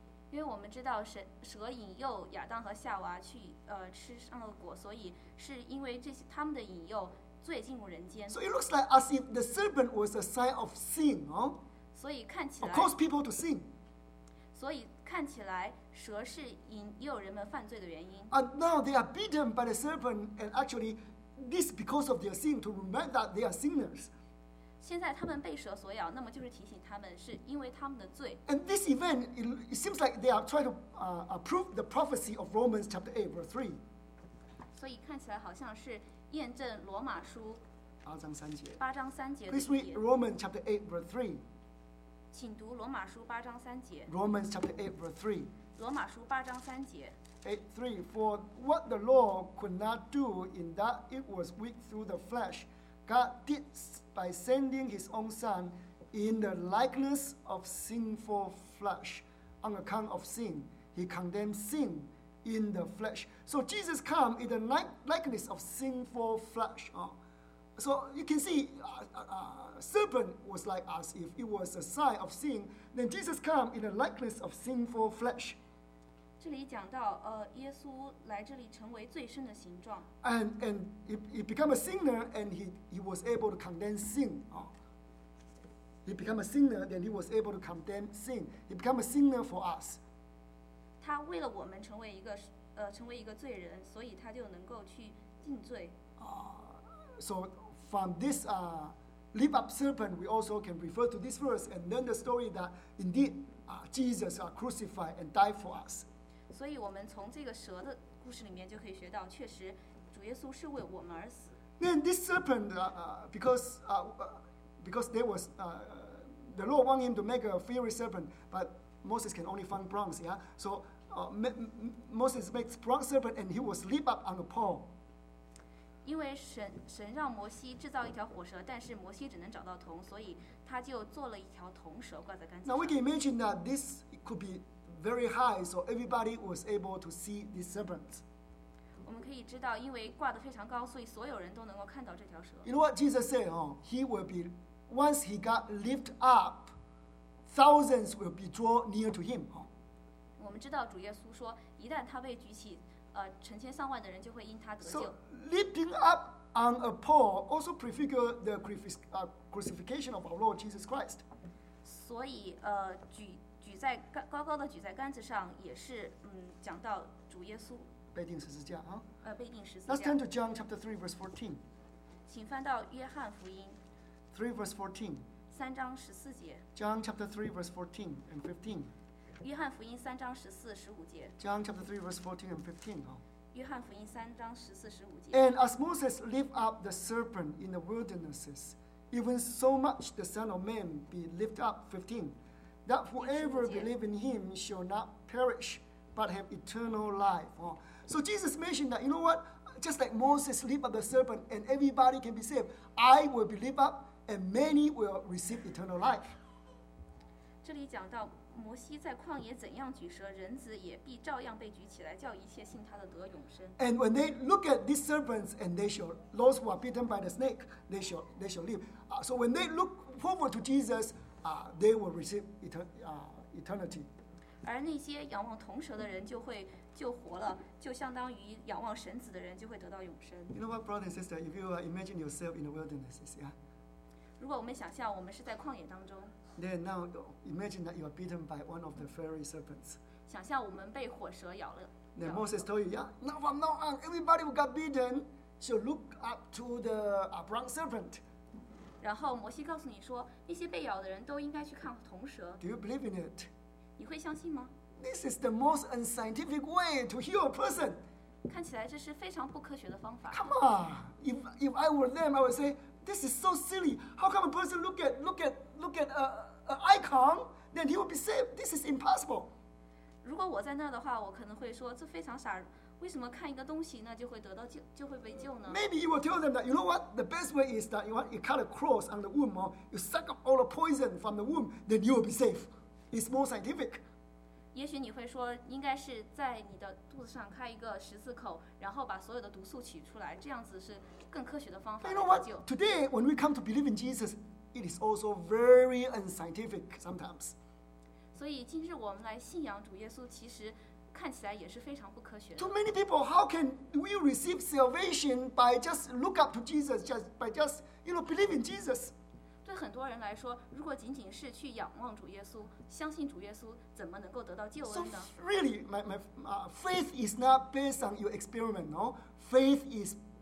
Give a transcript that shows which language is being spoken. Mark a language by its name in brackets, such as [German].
[Chinese] 因为我们知道蛇引诱亚当和夏娃去吃上了果，所以是因为这些他们的引诱。 [English] So it looks like as if the serpent was a sign of sin, huh? [Chinese] 所以看起来 [English] of course people to sin. [Chinese] 所以看起来蛇是引诱人们犯罪的原因。 [English] And now they are beaten by the serpent, and actually, this because of their sin to remind that they are sinners. [Chinese] 现在他们被蛇所咬，那么就是提醒他们是因为他们的罪。 [English] And this event, it seems like they are trying to prove the prophecy of Romans chapter 8, verse 3. [Chinese] 所以看起来好像是。验证罗马书八章三节的。 [English] Please read Romans chapter 8 verse 3. [Chinese] 请读罗马书八章三节。 [English] Romans chapter 8 verse 3. [Chinese] 罗马书八章三节。 [English] 8:3 For what the law could not do in that it was weak through the flesh, God did by sending his own son in the likeness of sinful flesh. On account of sin, he condemned sin. In the flesh, so Jesus come in the likeness of sinful flesh. So you can see, serpent was like us. If it was a sign of sin, then Jesus come in the likeness of sinful flesh. [Chinese] 这里讲到，耶稣来这里成为罪身的形状。 [English] And he become a sinner, and he was able to condemn sin. He become a sinner, then he was able to condemn sin. He become a sinner for us. [Chinese] 他为了我们成为一个罪人，所以他就能够去定罪。 [English] So from this lift up serpent, we also can refer to this verse and learn the story that indeed Jesus crucified and died for us. [Chinese] 所以我们从这个蛇的故事里面就可以学到，确实主耶稣是为我们而死。 [English] Then this serpent, because there was the Lord wanted him to make a fiery serpent, but Moses can only find bronze, yeah? So Moses makes bronze serpent and he was lift up on the pole. [Chinese] 因为神让摩西制造一条火蛇，但是摩西只能找到铜，所以他就做了一条铜蛇挂在杆子上。 [English] Now we can imagine that this could be very high, so everybody was able to see this serpent. [Chinese] 我们可以知道，因为挂得非常高，所以所有人都能够看到这条蛇。 [English] You know what Jesus said, he will be, once he got lift up,Thousands will be drawn near to him. [Chinese] 我们知道主耶稣说，一旦他被举起，成千上万的人就会因他得救。 [English] So lifting up on a pole also prefigure the crucifixion of our Lord Jesus Christ. [Chinese] 所以，举在高高的举在杆子上，也是讲到主耶稣被钉十字架啊。被钉十字架。 [English] Let's turn to John chapter 3 verse 14. [Chinese] 请翻到约翰福音。 [English] 3 verse 14. [Chinese] 三章十四节。 [English] John chapter 3 verse 14 and 15. [Chinese] 约翰福音三章十四十五节。 [English] John chapter 3 verse 14 and 15. [Chinese] 约翰福音三章十四十五节。 [English] And as Moses lift up the serpent in the wildernesses, even so much the Son of Man be lift up, 15, that whoever believes in him shall not perish, but have eternal life. Oh. So Jesus mentioned that, you know what? Just like Moses lift up the serpent and everybody can be saved, I will be lift up and many will receive eternal life. [Chinese] 这里讲到摩西在旷野怎样举蛇，人子也必照样被举起来，叫一切信他的得永生。 [English] And when they look at these serpents, and they shall those who are bitten by the snake, they shall live. So when they look forward to Jesus, they will receive eternity. [Chinese] 而那些仰望铜蛇的人就会就活了，就相当于仰望神子的人就会得到永生。 [English] You know what, brother and sister? If you imagine yourself in the wilderness, yeah. [Chinese] 如果我们想象我们是在旷野当中。 [English] Then now imagine that you are bitten by one of the fiery serpents. [Chinese] 想象我们被火蛇咬了。 [English] Then Moses told you, yeah, now from now on, everybody who got bitten should look up to the bronze serpent. [Chinese] 然后摩西告诉你说，那些被咬的人都应该去看铜蛇。 [English] Do you believe in it? [Chinese] 你会相信吗？ [English] This is the most unscientific way to heal a person. [Chinese] 看起来这是非常不科学的方法。 [English] Come on, if I were them, I would say. This is so silly. How come a person look at an icon, then he will be saved? This is impossible. [Chinese] 如果我在那的话，我可能会说这非常傻。为什么看一个东西呢就会得到救，就会被救呢？ [English] Maybe you will tell them that you know what the best way is that you cut a cross on the womb, or you suck up all the poison from the womb, then you will be safe. It's more scientific. [Chinese] 也许你会说，应该是在你的肚子上开一个十字口，然后把所有的毒素取出来，这样子是。 [English] You know what? Today, when we come to believe in Jesus, it is also very unscientific sometimes. [Chinese] 所以今日我们来信仰主耶稣，其实看起来也是非常不科学的。 [English] To many people, how can we receive salvation by just look up to Jesus, just believe in Jesus? [Chinese] 对很多人来说，如果仅仅是去仰望主耶稣，相信主耶稣，怎么能够得到救恩呢？ [English] So really, my faith is not based on your experiment, no. Faith is.